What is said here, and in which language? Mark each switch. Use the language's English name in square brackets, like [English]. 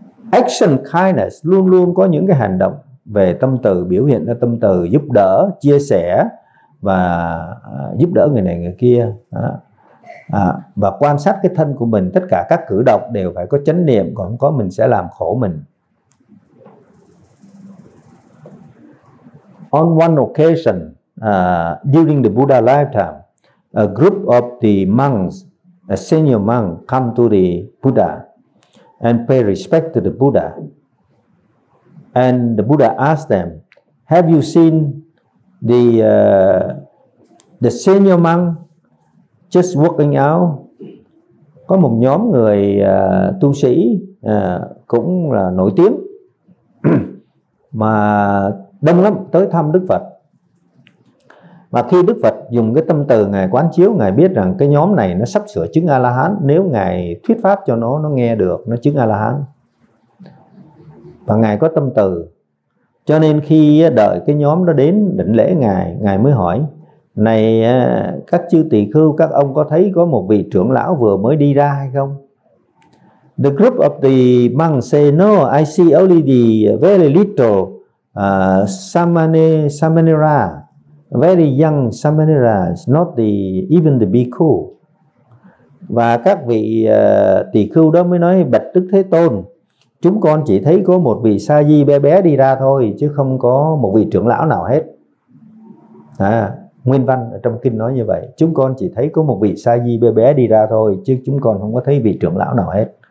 [English] Action kindness, [Vietnamese] luôn luôn có những cái hành động về tâm từ, biểu hiện ra tâm từ, giúp đỡ, chia sẻ và giúp đỡ người này người kia. Và quan sát cái thân của mình, tất cả các cử động đều phải có chánh niệm, còn không có mình sẽ làm khổ mình. [English] On one occasion, during the Buddha lifetime, a group of the monks, a senior monk, come to the Buddha and pay respect to the Buddha. And the Buddha asked them, "Have you seen the senior monk just walking out?" [Vietnamese] Có một nhóm người tu sĩ cũng là nổi tiếng mà đông lắm tới thăm Đức Phật. Mà khi Đức Phật dùng cái tâm từ Ngài quán chiếu, Ngài biết rằng cái nhóm này nó sắp sửa chứng A-la-hán, nếu Ngài thuyết pháp cho nó nghe được, nó chứng A-la-hán. Và Ngài có tâm từ. Cho nên khi đợi cái nhóm đó đến đỉnh lễ Ngài, Ngài mới hỏi: "Này các chư tỳ khưu, các ông có thấy có một vị trưởng lão vừa mới đi ra hay không?" [English] The group of the monks say, "No, I see only the very little Samanera. Very young Samanera, not the even the bhikkhu." [Vietnamese] Và các vị tỳ khưu đó mới nói: "Bạch Đức Thế Tôn, chúng con chỉ thấy có một vị sa di bé bé đi ra thôi, chứ không có một vị trưởng lão nào hết." Nguyên văn ở trong kinh nói như vậy: "Chúng con chỉ thấy có một vị sa di bé bé đi ra thôi, chứ chúng con không có thấy vị trưởng lão nào hết."